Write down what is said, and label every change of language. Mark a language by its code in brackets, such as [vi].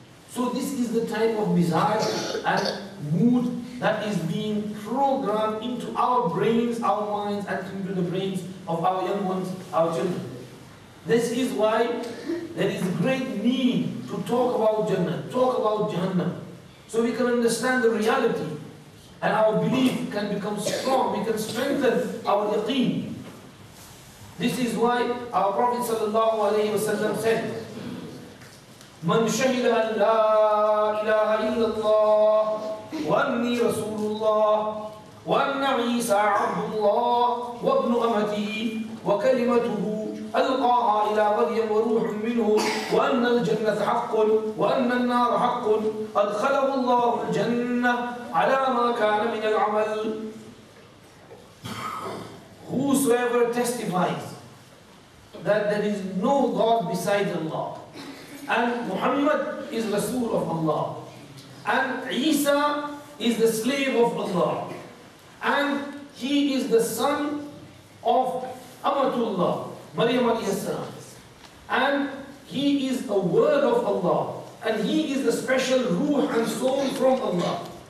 [en] So this is the type of mishaj and mood that is being programmed into our brains, our minds, and into the brains of our young ones, our children. This is why there is great need to talk about Jannah, talk about Jahannam, so we can understand the reality and our belief can become strong, we can strengthen our yaqeen. This is why our Prophet sallallahu alayhi wa sallam said, [ar] من شهد أن لا إله إلا الله وأني رسول الله وأن عيسى عبد الله وابن أمتي وكلمته ألقاها إلى مريم وروح منه وأن الجنة حق وأن النار حق أدخله الله الجنة على ما كان من العمل. [en] Whosoever testifies that there is no God besides Allah, and Muhammad is Rasul of Allah, and Isa is the slave of Allah, and he is the son of Amatullah, Maryam alayhi salam, and he is the word of Allah, and he is the special ruh and soul from Allah,